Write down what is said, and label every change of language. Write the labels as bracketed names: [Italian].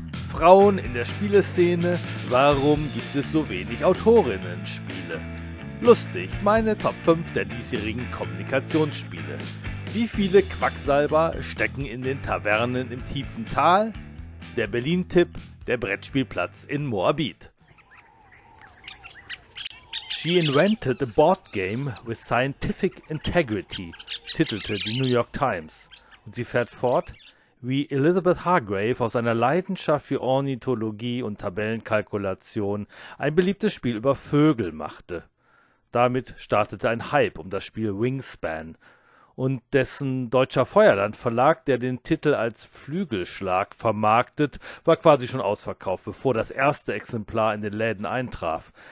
[German] Frauen in der Spieleszene, warum gibt es so wenig Autorinnen-Spiele? Lustig, meine Top 5 der diesjährigen Kommunikationsspiele. Wie viele Quacksalber stecken in den Tavernen im tiefen Tal? Der Berlin-Tipp, der Brettspielplatz in Moabit. [English] She invented a board game with scientific integrity, [German] titelte die New York Times. Und sie fährt fort, wie Elizabeth Hargrave aus einer Leidenschaft für Ornithologie und Tabellenkalkulation ein beliebtes Spiel über Vögel machte. Damit startete ein Hype um das Spiel Wingspan. Und dessen deutscher Feuerland-Verlag, der den Titel als Flügelschlag vermarktet, war quasi schon ausverkauft, bevor das erste Exemplar in den Läden eintraf.